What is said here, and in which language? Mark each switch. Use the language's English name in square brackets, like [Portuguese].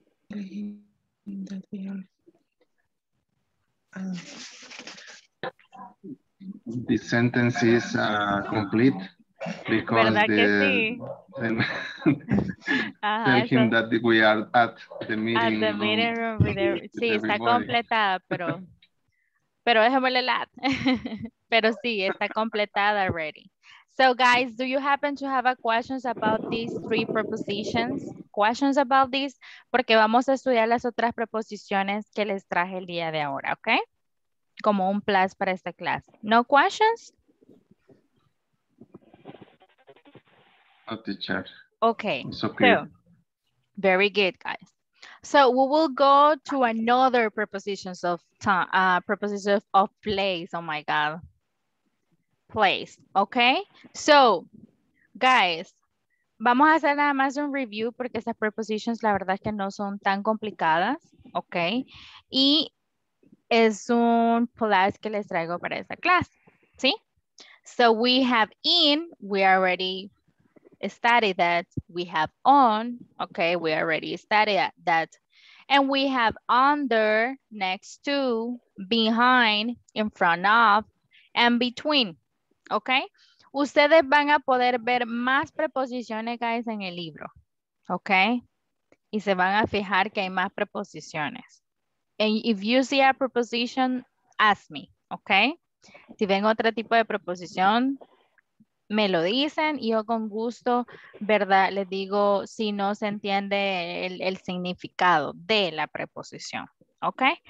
[English] The sentence is complete because tell him that we are at the meeting room. At the meeting room. [Spanish] Sí, está completada, pero... Pero déjamele la. Pero sí, está completada already. [English] So guys, do you happen to have a questions about these three prepositions? Questions about this? [Spanish] Porque vamos a estudiar las otras preposiciones que les traje el día de ahora, ¿ok? Como un plus para esta clase. [English] No questions? No, teacher. Okay. It's okay. So, very good, guys. So we will go to another prepositions of time, prepositions of place. Oh my God, place. Okay. [Spanish] So, guys, vamos a hacer nada más un review porque esas prepositions, la verdad es que no son tan complicadas. Okay. Y es un plus que les traigo para esta clase. [English] ¿Sí? So we have in. We already studied that. We have on. Okay. We already studied that. And we have under, next to, behind, in front of, and between. ¿Ok? [Spanish] Ustedes van a poder ver más preposiciones, guys, en el libro. ¿Ok? Y se van a fijar que hay más preposiciones. [English] And if you see a preposition, ask me. ¿Ok? [Spanish] Si ven otro tipo de preposición, me lo dicen y yo con gusto, ¿verdad? Les digo si no se entiende el significado de la preposición, ¿ok?